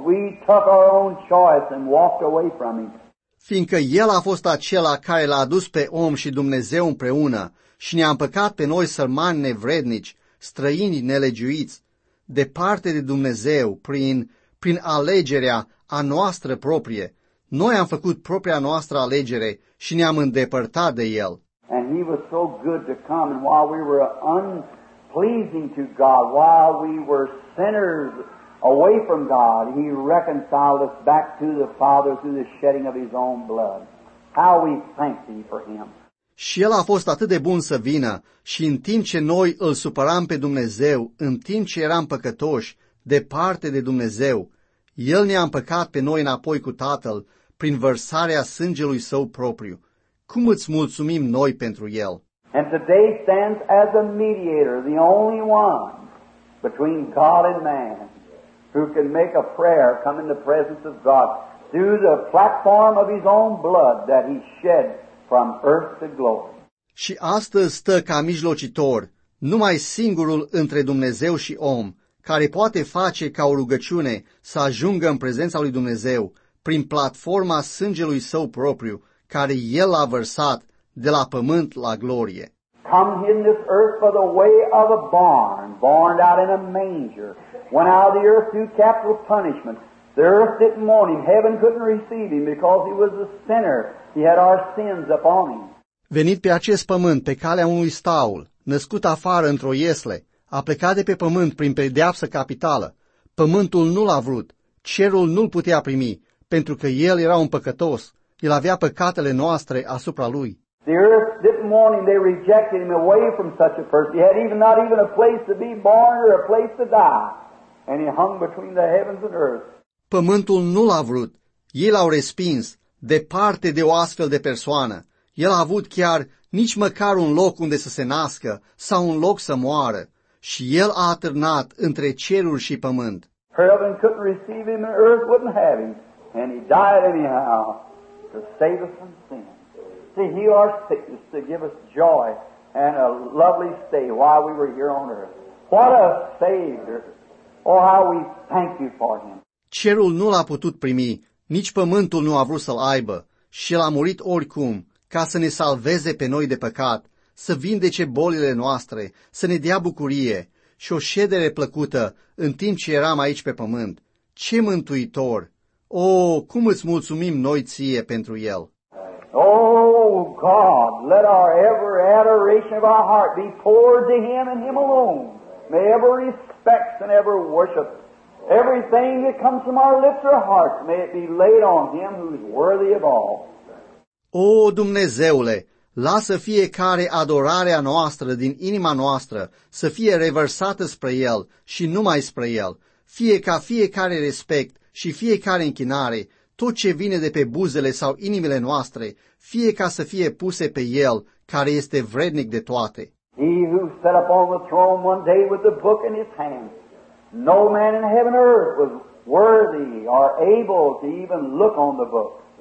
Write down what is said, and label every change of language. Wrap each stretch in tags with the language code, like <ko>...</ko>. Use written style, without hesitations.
<en>We took our own choice and walked away from Him.</en> <ro>Fiindcă El a fost acela care l-a adus pe om și Dumnezeu împreună și ne-a împăcat pe noi sărmani nevrednici, străini nelegiuiți, departe de Dumnezeu prin alegerea a noastră proprie. Noi am făcut propria noastră alegere și ne-am îndepărtat de El.</ro> <en>And He was so good to come, and while we were unpleasing to God, while we were sinners away from God, He reconciled us back to the Father through the shedding of His own blood. How we thank Thee for Him.</en> <ro>Și El a fost atât de bun să vină, și în timp ce noi îl supăram pe Dumnezeu, în timp ce eram păcătoși, departe de Dumnezeu, El ne-a împăcat pe noi înapoi cu Tatăl prin vărsarea sângelui Său propriu. Cum îți mulțumim noi pentru El?</ro> <en>And today stands as a mediator, the only one between God and man who can make a prayer come in the presence of God through the platform of His own blood that He shed from earth to glory.</en> <ro>și astăzi stă ca mijlocitor, numai singurul între Dumnezeu și om, care poate face ca o rugăciune să ajungă în prezența lui Dumnezeu prin platforma sângelui său propriu, care el a vărsat de la pământ la glorie.</ro> <en>Come in this earth for the way of a barn, born out in a manger, went out of the earth through capital punishment. The earth didn't mourn him, heaven couldn't receive him because he was a sinner. He had our sins upon him.</en> <ro>Venit pe acest pământ pe calea unui staul, născut afară într-o iesle, a plecat de pe pământ prin pedeapsă capitală. Pământul nu l-a vrut, cerul nu-l putea primi, pentru că el era un păcătos, el avea păcatele noastre asupra lui.</ro> <en>The earth didn't mourn him, they rejected him away from such a person. He had even not even a place to be born or a place to die. And he hung between the heavens and earth.</en> <ro>Pământul nu l-a vrut, ei l-au respins, departe de o astfel de persoană. El a avut chiar nici măcar un loc unde să se nască sau un loc să moară, și el a atârnat între ceruri și pământ.</ro> <en>Heaven couldn't receive him and earth wouldn't have him, and he died anyhow to save us from sin, to heal our sickness, to give us joy and a lovely stay while we were here on earth. What a Savior! Oh, how we thank you for him!</en> <ro>Cerul nu l-a putut primi, nici pământul nu a vrut să-l aibă, și el a murit oricum, ca să ne salveze pe noi de păcat, să vindece bolile noastre, să ne dea bucurie și o ședere plăcută în timp ce eram aici pe pământ. Ce mântuitor! O, cum îți mulțumim noi ție pentru el!</ro> <en>Oh, God, let our ever adoration of our heart be poured to him and him alone. May ever respect and ever worship everything that comes from our lips or hearts, may it be laid on him who is worthy of all.</en> <ro>O, Dumnezeule, lasă fiecare adorarea noastră din inima noastră să fie revărsată spre El și numai spre El, fie ca fiecare respect și fiecare închinare, tot ce vine de pe buzele sau inimile noastre, fie ca să fie puse pe El, care este vrednic de toate.</ro> <en>He who sat upon the throne one day with the book in his hand, no man in heaven or earth was worthy or able to even look on the book.</en>